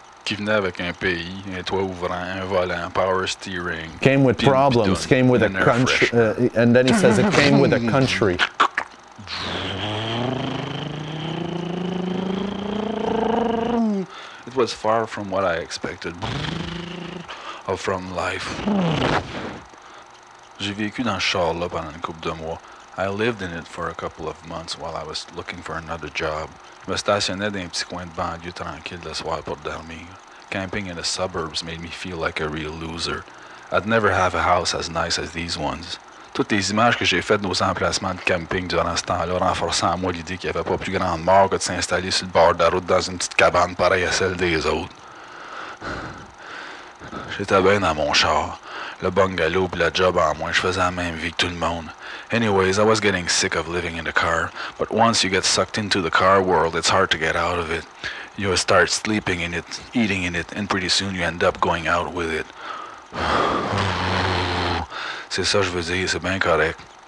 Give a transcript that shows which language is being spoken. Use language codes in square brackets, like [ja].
[fr] Qui venait avec un pays, un toit ouvrant, un volant, [en] power steering. Came with problems, came with a country. And then he says it came with a country. Was far from what I expected, or from life. [fr] J'ai vécu dans ce char-là pendant une couple de mois. [en] I lived in it for a couple of months while I was looking for another job. [fr] Je me stationnais dans un petit coin de banlieue tranquille le soir pour dormir. [en] Camping in the suburbs made me feel like a real loser. I'd never have a house as nice as these ones. [fr] Toutes les images que j'ai faites de nos emplacements de camping durant ce temps-là renforçant en moi l'idée qu'il n'y avait pas plus grande mort que de s'installer sur le bord de la route dans une petite cabane pareille à celle des autres. J'étais bien dans mon char. Le bungalow pis la job en moins, je faisais la même vie que tout le monde. [en] Anyways, I was getting sick of living in the car, but once you get sucked into the car world, it's hard to get out of it. You start sleeping in it, eating in it, and pretty soon you end up going out with it. [fr] C'est ça je veux dire, c'est bien correct.